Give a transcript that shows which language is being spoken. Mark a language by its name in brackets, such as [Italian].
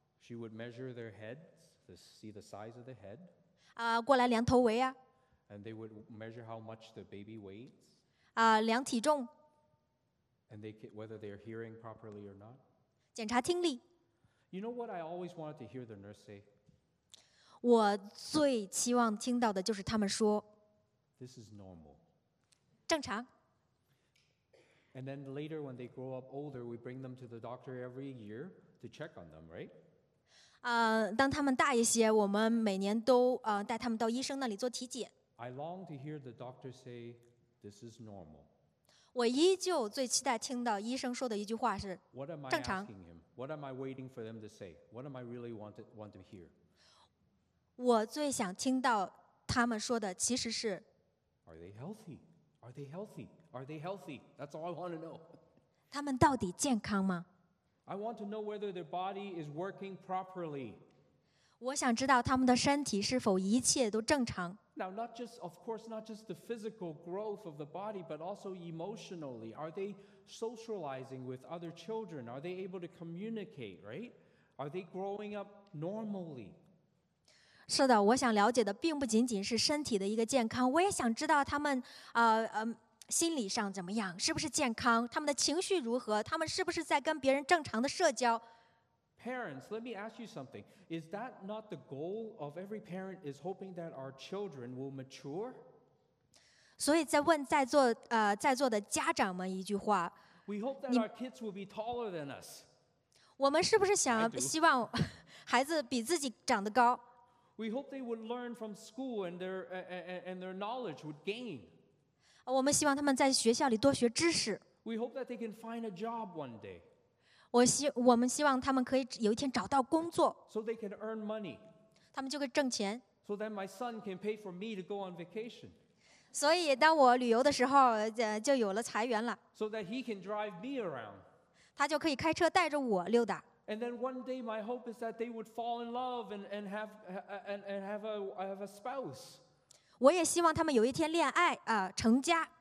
[English] She would measure their heads to see the size of the head. [Chinese] 过来量头围啊。 [English] And they would measure how much the baby weighs. [Chinese] 啊，量体重。 [English] And they whether they're hearing properly or not. [Chinese] 检查听力。 [English] You know what I always wanted to hear the nurse say. [Chinese] 我最期望听到的就是他们说。 [English] This is normal. [Chinese] 正常。 [English] And then later, when they grow up older, we bring them to the doctor every year to check on them, right? [Chinese] 当他们大一些，我们每年都带他们到医生那里做体检。 [English] I long to hear the doctor say, "This is normal." [Chinese] 我依旧最期待听到医生说的一句话是正常。 [English] What am I asking him? What am I waiting for them to say? What am I really want to hear? [Chinese] 我最想听到他们说的其实是 [English] Are they healthy? Are they healthy? Are they healthy? That's all I want to know. [Chinese] 他们到底健康吗？ [English] I want to know whether their body is working properly. [Chinese] 我想知道他们的身体是否一切都正常。 [English] Now, not just, of course, not just the physical growth of the body, but also emotionally. Are they socializing with other children? Are they able to communicate, right? Are they growing up normally? [Chinese] 是的，我想了解的并不仅仅是身体的一个健康，我也想知道他们，心理上怎么样，是不是健康，他们的情绪如何，他们是不是在跟别人正常的社交。 [English] Parents, let me ask you something. Is that not the goal of every parent? Is hoping that our children will mature? [Chinese] 所以再问在座的家长们一句话。 [English] We hope that our kids will be taller than us. [Chinese] 我们是不是想希望孩子比自己长得高 [English] ？We hope they would learn from school and their knowledge would gain. [Chinese] 我们希望他们在学校里多学知识。 [English] We hope that they can find a job one day. [Chinese] 我们希望他们可以有一天找到工作 [English] so they can earn money. [Chinese] 他们就可以挣钱 [English] so then my son can pay for me to go on vacation. [Chinese] 所以当我旅游的时候就有了财源了 [English] so that he can drive me around. [Chinese] 他就可以开车带着我溜达 [English] and then one day my hope is that they would fall in love and have a spouse. [Chinese] 我也希望他们有一天恋爱成家